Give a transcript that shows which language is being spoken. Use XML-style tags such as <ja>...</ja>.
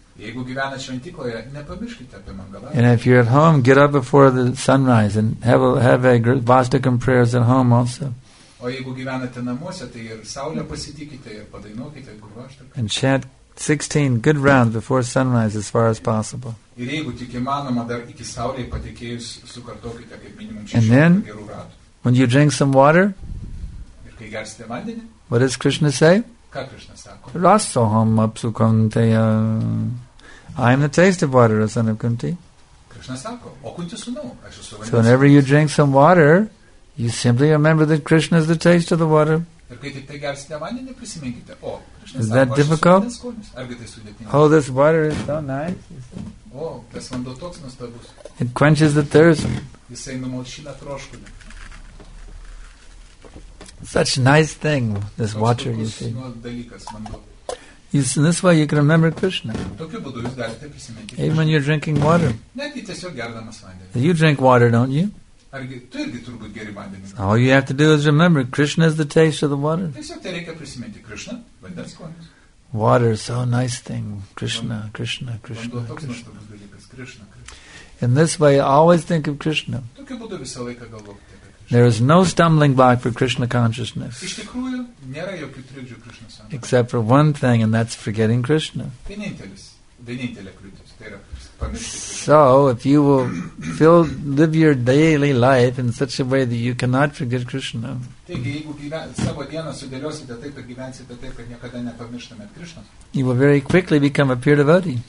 <en>And if you're at home, get up before the sunrise and have a Vastakam prayers at home also. And chant 16 good rounds before sunrise as far as possible.</en> <lt>Ir jeigu tik įmanoma, dar iki saulėje patekėjus sukartokite kaip minimum 6 gerų ratų.</lt> <en>And then, when you drink some water,</en> <lt>ir kai gersite vandenį.</lt> <en>What does Krishna say?</en> <lt>Ką Krishna sako?</lt> <sa>Rasoham apsukanteya.</sa> <en>I am the taste of water, son of Kunti.</en> <lt>Krishna sako, o Kunti sūnau, aš esu vandens.</lt> <en>So whenever you drink some water, you simply remember that Krishna is the taste of the water.</en> <lt>Ir kai tik gersite vandenį, prisiminkite, o Krishna sako, aš esu vandens skonis. Argi tai sudėtinga?</lt> <en>Oh, this water is so nice.</en> <lt>O, tas vanduo toks nuostabus.</lt> <en>It quenches the thirst.</en> <lt>Jisai numalšina troškulį.</lt> <en>Such a nice thing, this water, you see.</en> <lt>Dalykas,</lt> <en>in this way you can remember Krishna.</en> <lt>Tokiu būdu jūs galite prisiminti</lt> <en>Krishna. Even when you're drinking water.</en> <lt>Netgi tiesiog gerdamas vandenį.</lt> <en>You drink water, don't you?</en> <lt>Argi, tu irgi turbūt geri vandenį.</lt> <en>All you have to do is remember, Krishna is the taste of the water.</en> <lt>Tiesiog tai reikia prisiminti Krishna, vandens skonis.</lt> <en>Water, so nice thing. Krishna, Krishna, Krishna, Krishna. Krishna. In this way, always think of Krishna.</en> <lt>Tokiu būdu visą laiką galvok.</lt> <en>There is no stumbling block for Krishna consciousness.</en> <lt>Iš tikrųjų, nėra jokių trikdžių Krishna sąmonėje.</lt> <en>Except for one thing, and that's forgetting Krishna.</en> <lt>Vienintelė kliūtis, tai yra pamiršti.</lt> <en>So, if you will live your daily life in such a way that you cannot forget Krishna.</en> <lt>Taigi, jeigu savo dieną sudėliosite taip ir gyvensite taip, kad niekada nepamirštumėt Krishna.</lt> <en>You will very quickly become a pure devotee.</en>